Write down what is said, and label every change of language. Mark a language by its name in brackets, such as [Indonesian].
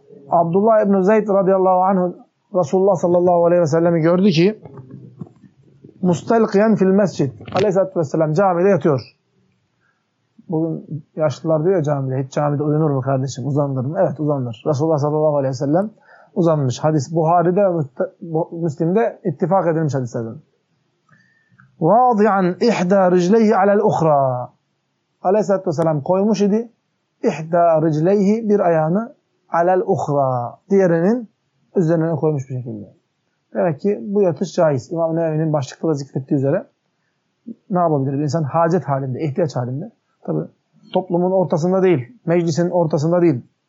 [Turkish] Abdullah İbni Zeyd radıyallahu anhu Resulullah sallallahu aleyhi ve sellem'i gördü ki [Arabic] مُسْتَلْقِيَنْ فِي الْمَسْجِدِ [Turkish] Aleyhisselatü Vesselam camide yatıyor. Bugün yaşlılar diyor ya camide, hiç camide uyunur mu kardeşim, uzanır mı? Evet uzanır. Resulullah sallallahu aleyhi ve sellem uzanmış. Hadis Buhari'de ve Müslim'de ittifak edilmiş hadislerden. [Arabic] وَاضِعَنْ اِحْدَى رِجْلَيْهِ عَلَى الْاُخْرَى [Turkish] Aleyhisselatü Vesselam koymuş idi. [Arabic] اِحْدَى رِجْلَيْهِ [Turkish] bir ayağını [Arabic] عَلَى الْاُخْرَى [Turkish] diğerinin üzerine koymuş bir şekilde. Demek ki bu yatış caiz. İmam Nevevi'nin başlıkta da zikrettiği üzere ne yapabilir? Bir insan hacet halinde, ihtiyaç halinde. Tabii toplumun ortasında değil, meclisin ortasında değil.